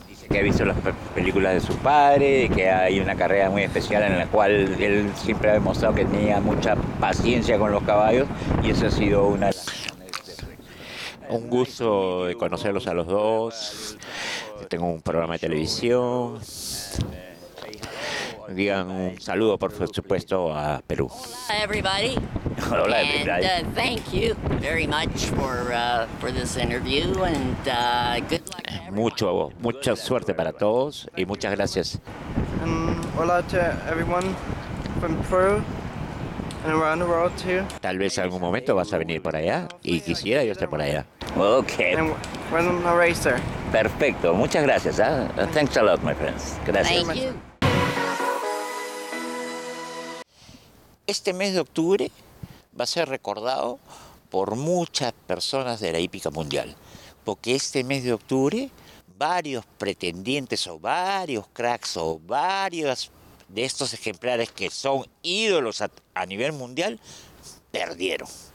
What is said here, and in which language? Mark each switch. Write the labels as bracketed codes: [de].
[es] Que ha visto las películas de su padre, que hay una carrera muy especial en la cual él siempre ha demostrado que tenía mucha paciencia con los caballos, y eso ha sido una. Un gusto de conocerlos a los dos. Tengo un programa de televisión. Digan un saludo, por supuesto, a Perú. [en] Hola, everybody. Hola, everybody. And thank you very much for this interview, and good luck. [es] Mucha suerte para todos y muchas gracias. [en] Hola to everyone from Peru. And around the world too. [es] Tal vez algún momento vas a venir por allá y quisiera yo estar por allá. [en] Okay. And I'm a racer. [es] Perfecto. Muchas gracias. [en] Thanks a lot, my friends. [es] Gracias. [en] Thank you. [es] Este mes de octubre va a ser recordado por muchas personas de la hípica mundial, porque este mes de octubre varios pretendientes o varios cracks o varios de estos ejemplares que son ídolos a nivel mundial, perdieron.